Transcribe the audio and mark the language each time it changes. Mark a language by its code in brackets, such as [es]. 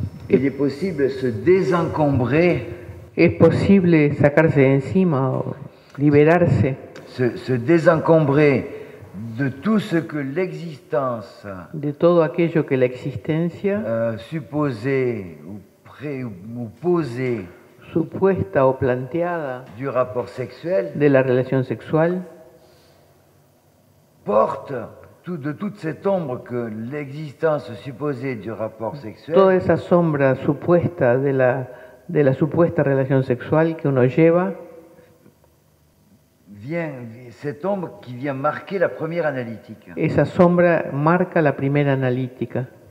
[fr] Il est possible se désencombrer. [es] Es posible sacarse de encima o liberarse. [fr] Se désencombrer de tout ce que l'existence. [es] De todo aquello que la existencia. Supuesta o planteada. [fr] Du rapport sexuel. [es] De la relación sexual. [fr] Porte de toute cette ombre que l'existence supposée du rapport sexuel. [es] Toda esa sombra supuesta de la supuesta relación sexual que uno lleva. [fr] Cette ombre qui vient marquer la première analytique. [es] Esa sombra marca la primera analítica.